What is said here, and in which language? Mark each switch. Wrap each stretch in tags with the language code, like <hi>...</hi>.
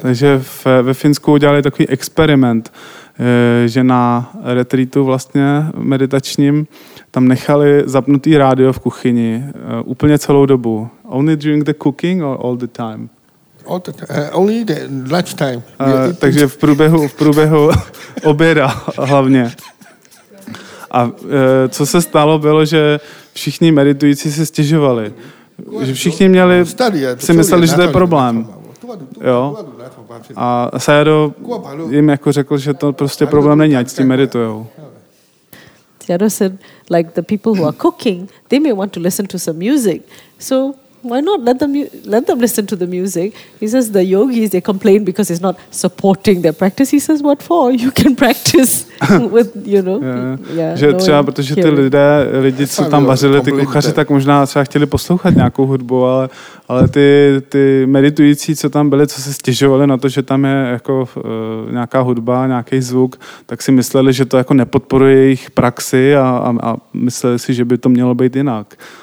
<cs>Takže ve Finsku udělali takový experiment, že na retreatu vlastně meditačním tam nechali zapnutý rádio v kuchyni úplně celou dobu.</cs> <en>Only during the cooking or all the time? All the only the lunch time.</en> <cs>Takže v průběhu oběda hlavně. A co se stalo, bylo, že všichni meditující se stěžovali. Že všichni měli, si mysleli, že to je problém. Jo. A Sayado jim jako řekl, že to prostě problém není, ať s tím meditujou.</cs> <en>Sayado said, like the people who are cooking, they may want to listen to some music. So why not let them listen to the music? He says the yogis, they complain because it's not supporting their practice. He says, what for? You can practice with, you know. Yeah.</en> <cs>Že třeba, protože ty lidi, co tam vařili, ty kuchaři, tak možná třeba chtěli poslouchat nějakou hudbu, ale ty meditující, co tam byli, co se stěžovali na to, že tam je jako nějaká hudba, nějaký zvuk, tak si mysleli, že to jako nepodporuje jejich praxi a mysleli si, že by to mělo být jinak.</cs>